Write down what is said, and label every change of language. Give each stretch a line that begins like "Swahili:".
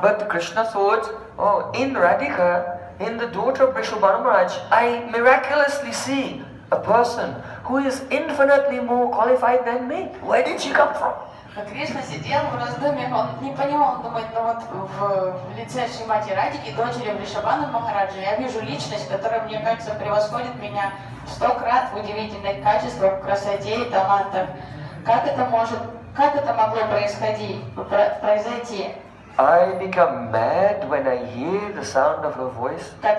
English: But Krishna thought, in Radhika, in the daughter of Vrishabhanu Maharaj, I miraculously see a person who is infinitely more qualified than me. Where did she come from?
Russian: Кришна сидел в раздумьях, он не понимал, он думает, ну вот в лице Шримати Радхики, дочери Вришабана Махараджа, я вижу личность, которая, мне кажется, превосходит меня в 100 крат в удивительных качествах, в красоте и талантах. Как это может, как это могло произойти?
English: I become mad when I hear the sound of her voice.